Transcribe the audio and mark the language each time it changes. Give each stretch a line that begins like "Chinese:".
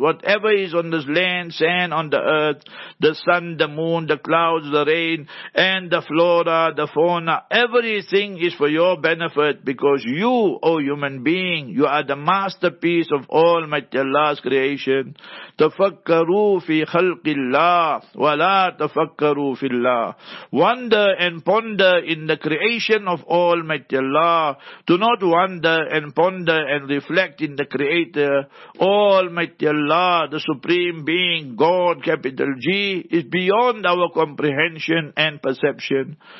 English: Whatever is on this land, sand on the earth, the sun, the moon, the clouds, the rain, and the flora, the fauna, everything is for your benefit, because you, O human being, you are the masterpiece of Almighty Allah's creation.
Arabic: تفكروا في خلق الله ولا تفكروا في الله.
English: Wonder and ponder in the creation of Almighty Allah. Do not wonder and ponder and reflect in the Creator. Almighty Allah, the Supreme Being, God, capital G, is beyond our comprehension and perception.